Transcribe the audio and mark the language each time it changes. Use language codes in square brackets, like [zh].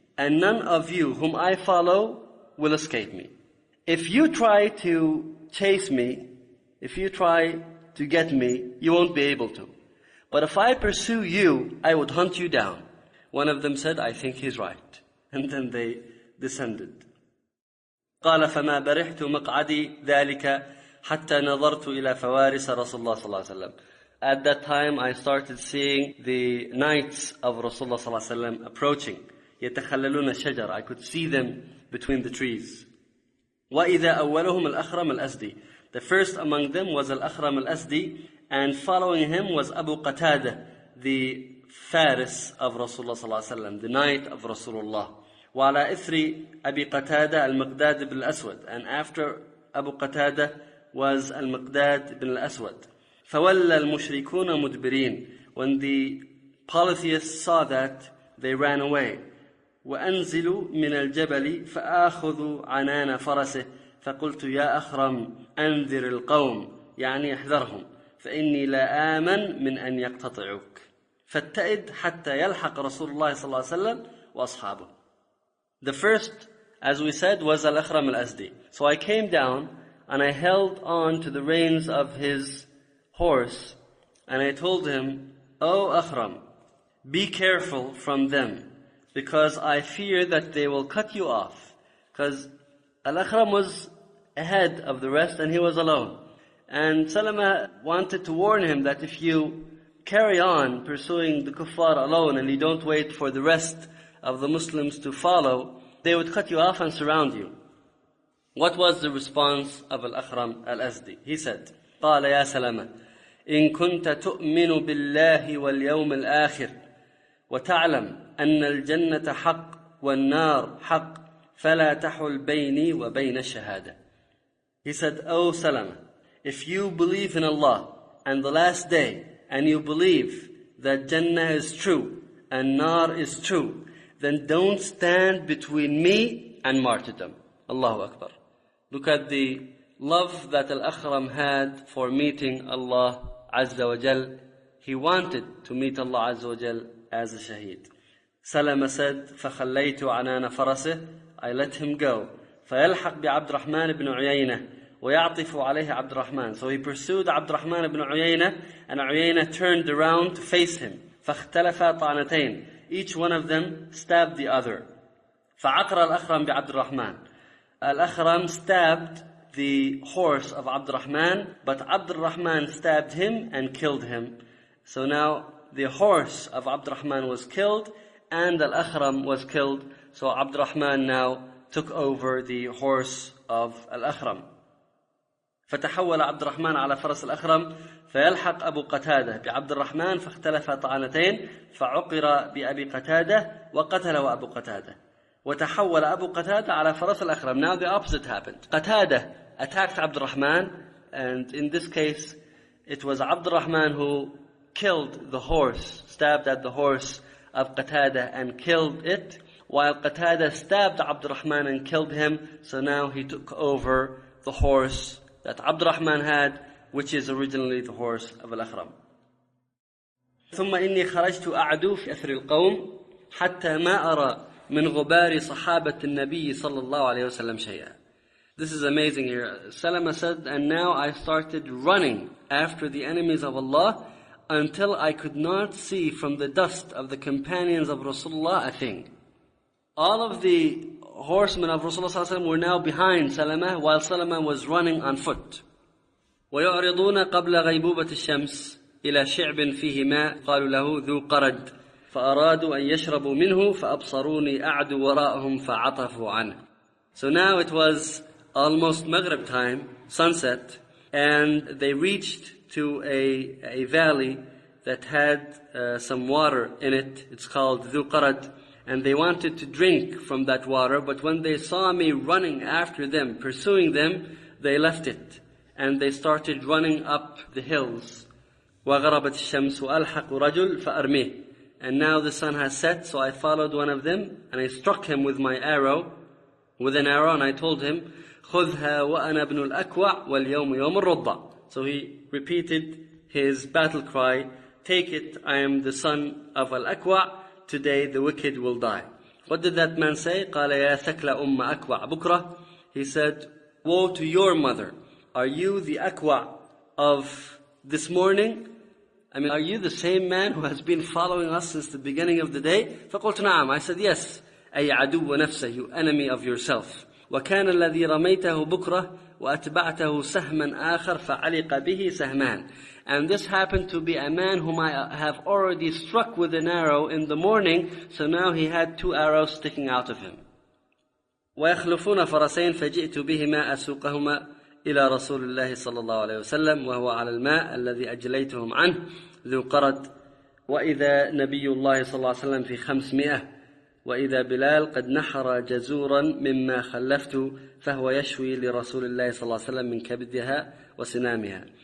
[en] And none of you whom I follow will escape me. If you try to chase me, if you try to get me, you won't be able to. But if I pursue you, I would hunt you down. One of them said, I think he's right. And then they descended. [ar] قال فما برحت مقعدي ذلك حتى نظرت إلى فوارس رسول الله صلى الله عليه وسلم. [en] At that time, I started seeing the knights of Rasulullah [ar] صلى الله عليه وسلم [en] approaching. [ar] يتخللون الشجر. [en] I could see them between the trees. [ar] وإذا أولهم الأخرم الأسدي. [en] The first among them was الأخرم الأسدي. And following him was Abu Qatada, the Faris of Rasulullah [ar] صلى الله عليه وسلم, [en] the knight of Rasulullah. [ar] وعلى إثر أبي قتادة المقداد بن الأسود. [en] And after Abu Qatada was المقداد بن الأسود. [ar] فولى المشركون مدبرين. [en] When the polytheists saw that, they ran away. [ar] وأنزلوا من الجبل فأخذوا عنان فرسه. فقلت يا أخرم أنذر القوم. يعني احذرهم. فإني لا آمن من أن يقتطعوك فاتئد حتى يلحق رسول الله صلى الله عليه وسلم وأصحابه. [en] The first, as we said, was Al-Akhram Al-Asdi. So I came down and I held on to the reins of his horse and I told him, oh Akhram, be careful from them because I fear that they will cut you off. Because Al-Akhram was ahead of the rest and he was alone. And Salama wanted to warn him that if you carry on pursuing the kuffar alone and you don't wait for the rest of the Muslims to follow, they would cut you off and surround you. What was the response of Al-Akhram Al-Azdi? He said, [ar] قال يا سلمة إن كنت تؤمن بالله واليوم الآخر وتعلم أن الجنة حق والنار حق فلا تحل بيني وبين الشهادة. [en] He said, oh Salama, if you believe in Allah and the last day and you believe that Jannah is true and Nar is true, then don't stand between me and martyrdom. Allahu Akbar. Look at the love that Al-Akhram had for meeting Allah Azza wa Jal. He wanted to meet Allah Azza wa Jal as a shaheed. Salama said, [ar] فَخَلَّيْتُ عَنَانَ فَرَسِهِ. [en] I let him go. [ar] فَيَلْحَقْ بِعَبْدِ رَحْمَانِ بْنُ عُيَيْنَةِ وَيَعْطِفُ عَلَيْهِ عَبْدِ رَحْمَانِ. [en] So he pursued عبد الرحمن بن عيينة, and عيينة turned around to face him. [ar] فَاخْتَلَفَ طَعْنَتَيْنِ. [en] Each one of them stabbed the other. [ar] فَعَقْرَ الْأَخْرَمْ بِعَبْدِ الرَّحْمَانِ. [en] Al-Akhram stabbed the horse of Abd al-Rahman, but Abd al-Rahman stabbed him and killed him. So now the horse of Abd al-Rahman was killed and Al-Akhram was killed. So Abd al-Rahman now took over the horse of Al-Akhram. [ar] فَتَحَوَّلَ عَبْدُ الرَّحْمَنَ عَلَى فَرَسِ الْأَخْرَمِ فَيَلْحَقْ أَبُو قَتَادَةَ بِعَبْدِ الرَّحْمَنَ فَاخْتَلَفَ طَعَنَتَيْنِ فَعُقِرَ بِأَبِي قَتَادَةَ وَقَتَلَهُ أَبُو قَتَادَةَ. وتحول أبو قتادة على فرس الأخرم. [en] Now the opposite happened. Qatada attacked Abd al-Rahman, and in this case, it was Abd al-Rahman who killed the horse, stabbed at the horse of Qatada and killed it, while Qatada stabbed Abd al-Rahman and killed him. So now he took over the horse that Abd al-Rahman had, which is originally the horse of al-Akhram. [ar] ثم إني خرجت أعدو في أثر القوم حتى ما أرى من غبار صحابة النبي صلى الله عليه وسلم شيئا. [en] This is amazing here. Salama said, and now I started running after the enemies of Allah until I could not see from the dust of the companions of Rasulullah a thing. All of the horsemen of Rasulullah [ar] صلى الله عليه وسلم [en] were now behind Salama while Salama was running on foot. [ar] ويعرضون قبل غيبوبة الشمس إلى شعب فيه ماء قالوا له ذو قرد. فأرادوا أن يشربوا منه فأبصروني أعدوا وراءهم فعطفوا عنه. [en] So now it was almost Maghrib time, sunset, and they reached to a valley that had some water in it. It's called Dhu Qarad, and they wanted to drink from that water, but when they saw me running after them, pursuing them, they left it, and they started running up the hills. [ar] وغربت الشمس وألحق رجل فأرميه. [en] And now the sun has set, so I followed one of them, and I struck him with my arrow, with an arrow, and I told him, [ar] خُذْهَا وَأَنَا بْنُ الْأَكْوَعِ وَالْيَوْمُ يَوْمُ الرُّضَّةِ. [en] So he repeated his battle cry, take it, I am the son of Al-Akwa', today the wicked will die. What did that man say? [ar] قَالَ يَا ثَكْلَ أُمَّ أَكْوَعَ بُكْرَةِ. [en] He said, woe to your mother, are you the Akwa' of this morning? I mean, are you the same man who has been following us since the beginning of the day? [ar] فَقُلْتُ نَعَمْ. [en] I said, yes. [ar] أي عدو نفسه, [en] you enemy of yourself. [ar] وَكَانَ الَّذِي رَمَيْتَهُ بُكْرَةُ وَأَتْبَعْتَهُ سَهْمًا آخَرَ فَعَلِقَ بِهِ سَهْمًا. [en] And this happened to be a man whom I have already struck with an arrow in the morning, so now he had two arrows sticking out of him. [ar] وَيَخْلُفُونَ فَرَسَيْنَ فَجِئْتُ بِهِمَا أَسُوقَهُمَا إلى رسول الله صلى الله عليه وسلم وهو على الماء الذي أجليتهم عنه ذو قرد وإذا نبي الله صلى الله عليه وسلم في 500 وإذا بلال قد نحر جزورا مما خلفت فهو يشوي لرسول الله صلى الله عليه وسلم من كبدها وسنامها.